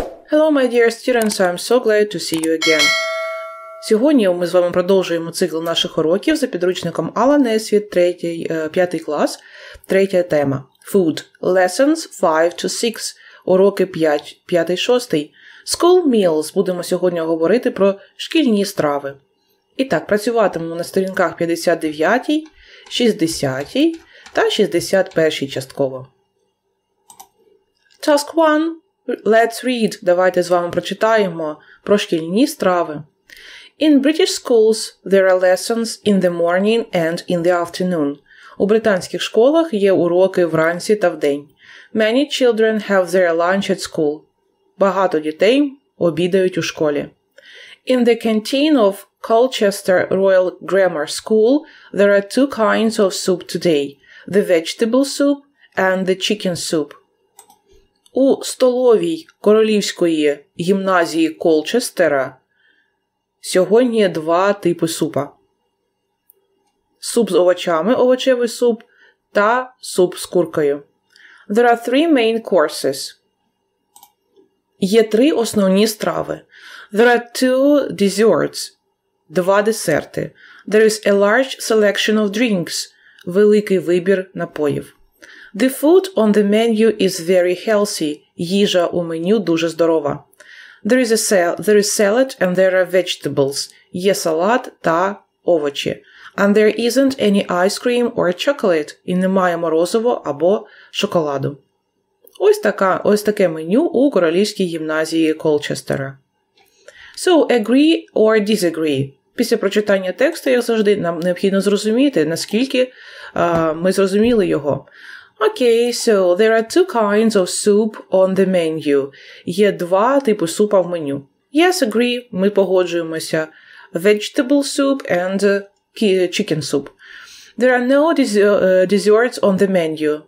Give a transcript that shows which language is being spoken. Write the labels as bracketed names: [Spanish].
[English] Hello, my dear students, I'm so glad to see you again. [Ukrainian] Сьогодні ми з вами продовжуємо цикл наших уроків за підручником Алла Несвіт, 5 клас, 3 тема. [English] Food. Lessons 5 to 6. [Ukrainian] Уроки 5-6. [English] School meals. [Ukrainian] Будемо сьогодні говорити про шкільні страви. І так, працюватимемо на сторінках 59, 60 та 61 частково. [English] Task 1. Let's read. [Ukrainian] Давайте з вами прочитаємо про шкільні страви. [English] In British schools there are lessons in the morning and in the afternoon. [Ukrainian] У британських школах є уроки вранці та вдень. [English] Many children have their lunch at school. [Ukrainian] Багато дітей обідають у школі. [English] In the canteen of Colchester Royal Grammar School there are two kinds of soup today: the vegetable soup and the chicken soup. [Ukrainian] У столовій Королівської гімназії Колчестера сьогодні два типи супа. Суп з овочами, овочевий суп, та суп з куркою. [English] There are three main courses. [Ukrainian] Є три основні страви. [English] There are two desserts. [Ukrainian] Два десерти. [English] There is a large selection of drinks. [Ukrainian] Великий вибір напоїв. [English] The food on the menu is very healthy. [Ukrainian] Їжа у меню дуже здорова. [English] There is salad and there are vegetables. [Ukrainian] Є салат та овочі. [English] And there isn't any ice cream or chocolate. [Ukrainian] І немає морозиво або шоколаду. Ось таке меню у Королівській гімназії Колчестера. [English] So, agree or disagree. [Ukrainian] Після прочитання тексту, як завжди, нам необхідно зрозуміти, наскільки ми зрозуміли його. [English] Okay, so there are two kinds of soup on the menu. [Ukrainian] Є два типи супа в меню. [English] Yes, agree. [Ukrainian] Ми погоджуємося. [English] Vegetable soup and chicken soup. There are no desserts on the menu.